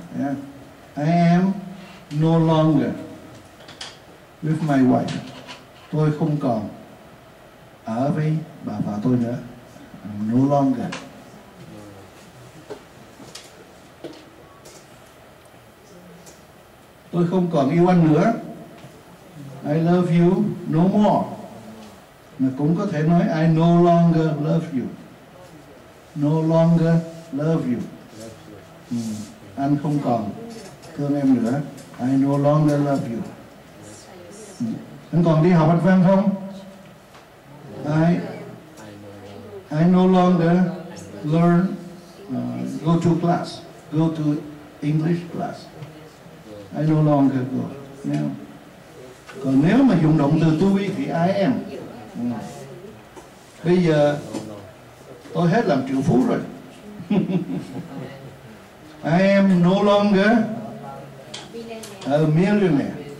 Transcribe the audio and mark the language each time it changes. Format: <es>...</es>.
<en>Yeah. I am no longer with my wife.</en> <vi>Tôi không còn ở với bà vợ tôi nữa.</vi> <en>I'm no longer.</en> <vi>Tôi không còn yêu anh nữa.</vi> <en>I love you no more.</en> <vi>Mà cũng có thể nói</vi> <en>I no longer love you. No longer love you.</en> <vi>Anh không còn thương em nữa.</vi> <en>I no longer love you.</en> <vi>Anh còn đi học Anh Văn không?</vi> <en>I no longer learn, go to class, go to English class. I no longer go. Yeah.</en> <vi>Còn nếu mà dùng động từ to be thì</vi> <en>I am.</en> <vi>Bây giờ tôi hết làm triệu phú rồi.</vi> <en>I am no longer a millionaire.</en>